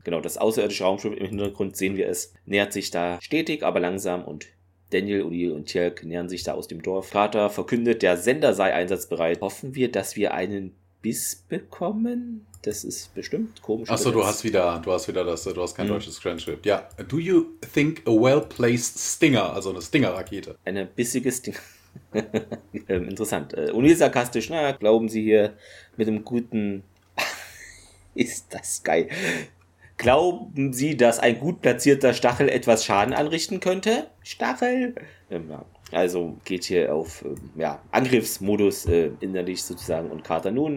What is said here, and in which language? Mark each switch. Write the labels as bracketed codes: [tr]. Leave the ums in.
[de] Genau, das außerirdische Raumschiff im Hintergrund sehen wir es. Nähert sich da stetig, aber langsam und Daniel, O'Neill und Tjelk nähern sich da aus dem Dorf. Carter verkündet, der Sender sei einsatzbereit. Hoffen wir, dass wir einen Biss bekommen? Das ist bestimmt komisch. Ach so, du übersetzt. hast wieder, du hast wieder das, du hast kein Mhm. deutsches Transkript. Ja. [en] Do you think a well-placed Stinger, [de] also eine Stinger-Rakete? Eine bissiges Ding. ähm, interessant. Äh, O'Neill sarkastisch, na, glauben Sie hier mit einem guten. Ist das geil. Glauben Sie, dass ein gut platzierter Stachel etwas Schaden anrichten könnte? Stachel? Ähm, ja. Also geht hier auf ähm, ja, Angriffsmodus äh, innerlich sozusagen und Carter nun.